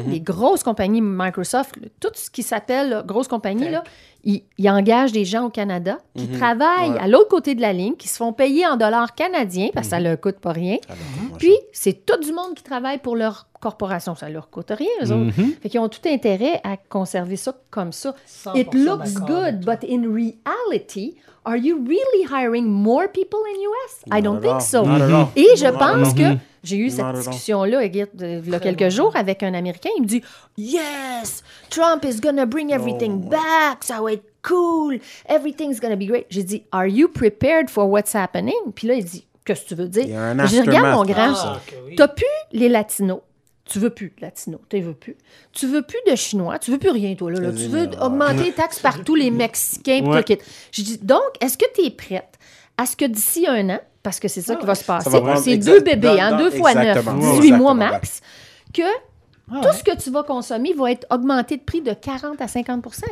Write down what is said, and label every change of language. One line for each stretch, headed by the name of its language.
French: Mm-hmm. Les grosses compagnies Microsoft, tout ce qui s'appelle là, grosses compagnies, là, ils engagent des gens au Canada qui mm-hmm. travaillent ouais. à l'autre côté de la ligne, qui se font payer en dollars canadiens parce que mm-hmm. ça ne leur coûte pas rien. Mm-hmm. Puis, c'est tout du monde qui travaille pour leur corporation. Ça ne leur coûte rien, eux autres. Mm-hmm. Fait qu'ils ont tout intérêt à conserver ça comme ça.
English: It looks good, but in reality... Are you really hiring more people in US? I don't think so.
French: Et je pense que j'ai eu cette discussion-là il y a quelques jours avec un Américain. Il me dit,
English: yes, Trump is going to bring everything back.
French: Ça va être cool.
English: Everything's going to be great.
French: J'ai dit,
English: are you prepared for what's happening?
French: Puis là, il dit, qu'est-ce que tu veux dire? Je regarde mon grand. T'as plus les Latinos. Tu veux plus de Latino, tu veux plus. Tu veux plus de Chinois, tu veux plus rien, toi. Là. Tu veux augmenter les taxes par tous les Mexicains. Ouais. Je dis, donc, est-ce que tu es prête à ce que d'ici un an, parce que c'est ça qui va se passer, va c'est deux bébés, dans, hein, deux fois neuf, 18 mois max, que tout ce que tu vas consommer va être augmenté de prix de 40 à 50 %.